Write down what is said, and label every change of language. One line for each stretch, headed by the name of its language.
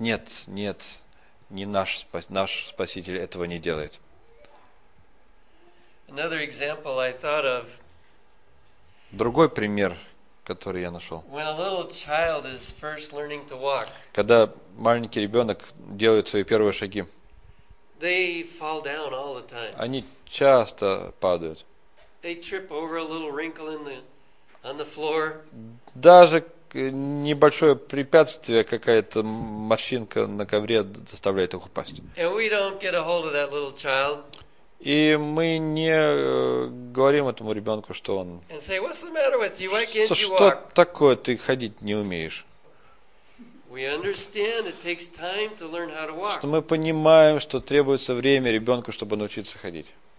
Russian: Нет, нет, не наш, наш Спаситель этого не делает.
English: Another example I thought of.
Russian: Другой пример, который я нашел.
English: When a little child is first learning to walk,
Russian: когда маленький ребенок делает свои первые шаги,
English: they fall down all the time.
Russian: Они часто падают.
English: They trip over a little wrinkle in the, on the floor.
Russian: Даже небольшое препятствие, какая-то морщинка на ковре заставляет их упасть.
English: And we don't get a hold of that little child.
Russian: И мы не говорим этому ребенку, что он... Что такое, ты ходить не умеешь? Что мы понимаем, что требуется время ребенку, чтобы научиться ходить.